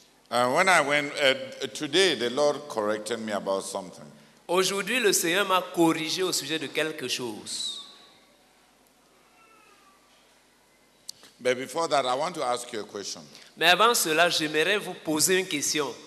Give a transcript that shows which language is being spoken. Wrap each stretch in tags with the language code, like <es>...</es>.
<en>And when I went today, the Lord corrected me about something.</en> <fr>Aujourd'hui, le Seigneur m'a corrigé au sujet de quelque chose.</fr> <en>But before that, I want to ask you a question.</en> <fr>Mais avant cela, j'aimerais vous poser une question.</fr>